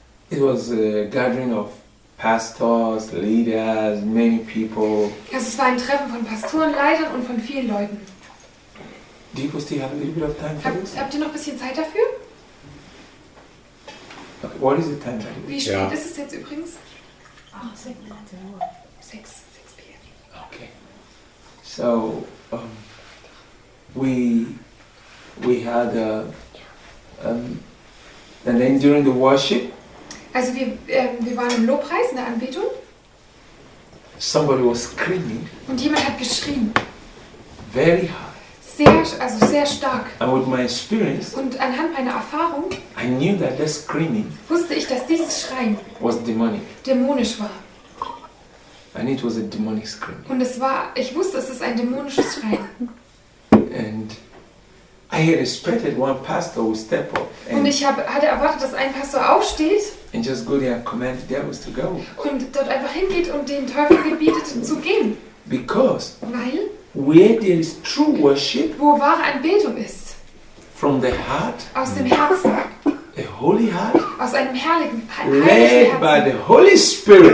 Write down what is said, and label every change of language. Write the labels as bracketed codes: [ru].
[en] It was a gathering of pastors, leaders, many people. [de] Also es war ein Treffen von Pastoren, Leitern und von vielen Leuten. [en] Do you still have a little bit of time for this? [de] Habt ihr noch ein bisschen Zeit dafür? [en] Okay, what is the time? [de] Wie spät ist es jetzt übrigens? Ach, 6 p.m. [en] Okay. So, we had and then during the worship. [de] Also wir waren im Lobpreis in der Anbetung. [en] Somebody was screaming. [de] Und jemand hat geschrien. [en] Very hard. [de] Sehr stark. [en] And with my experience. [de] Und anhand meiner Erfahrung. [en] I knew that this screaming. [de] Wusste ich, dass dieses Schreien. [en] Was demonic. [de] Dämonisch war. [en] And it was a demonic scream. [de] Und ich wusste, es ist ein dämonisches Schreien. [en] And I had expected one pastor would step up. [de] Und ich hatte erwartet, dass ein Pastor aufsteht. [en] And just go there and command the devils to go. [de] Und dort einfach hingeht und den Teufel gebietet zu gehen. [en] Because. [de] Weil. [en] Where there is true worship. [de] Wo wahre Anbetung ist. [en] From the heart. [de] Aus dem Herzen. [en] A holy heart. [de] Aus einem herrlichen Herzen. [en] Led by the Holy Spirit.